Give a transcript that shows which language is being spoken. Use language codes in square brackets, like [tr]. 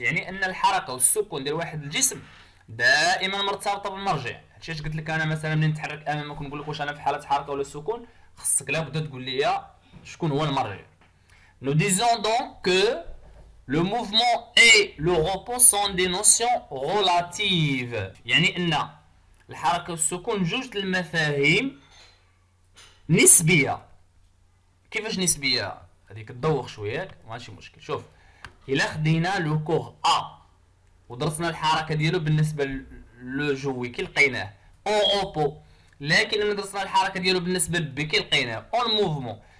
[ar] يعني ان الحركه والسكون ديال واحد الجسم دائما مرتبطه بالمرجع. هادشي اش قلت لك انا مثلا ملي نتحرك امامك نقول لك واش انا في حاله حركه ولا سكون، خصك لابد تقول لي شكون هو المرجع. [fr] Nous disons donc que le mouvement et le repos sont des notions relatives. [ar] يعني ان الحركه والسكون جوج المفاهيم نسبيه. كيفاش نسبيه؟ هذيك تدوخ شويه ماشي مشكل. شوف الا خدينا لو كور ا ودرسنا الحركه ديالو بالنسبه لو جوي كي لقيناه اون اوبو، لكن ملي درسنا الحركه ديالو بالنسبه لبي كي لقيناه اون موفمون.